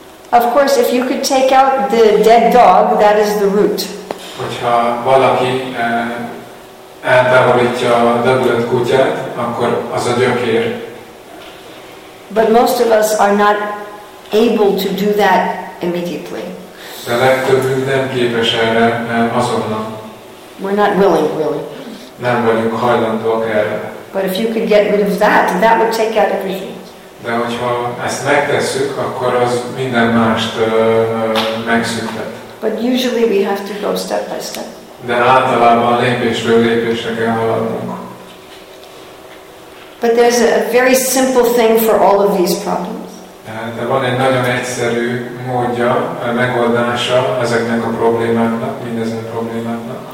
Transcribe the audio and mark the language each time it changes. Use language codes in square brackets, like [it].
[en] Of course, if you could take out the dead dog, that is the root. [hu] Hogyha valaki eltávolítja a debulett kutyát, akkor az a gyökér. [en] But most of us are not able to do that immediately. [hu] De legtöbbünk nem képes erre azonnal. [en] We're not willing, really. [hu] Nem vagyunk hajlandóak erre. [en] But if you could get rid of that, that would take out everything. [hu] De hogyha ezt megtesszük, akkor az minden mást megszüntet. [en] But usually we have to go step by step. [hu] De általában lépésről lépésre kell haladnunk. [en] But there's a very simple thing for all of these problems. [hu] De van egy nagyon egyszerű módja, megoldása ezeknek a problémáknak, mindezen problémáknak.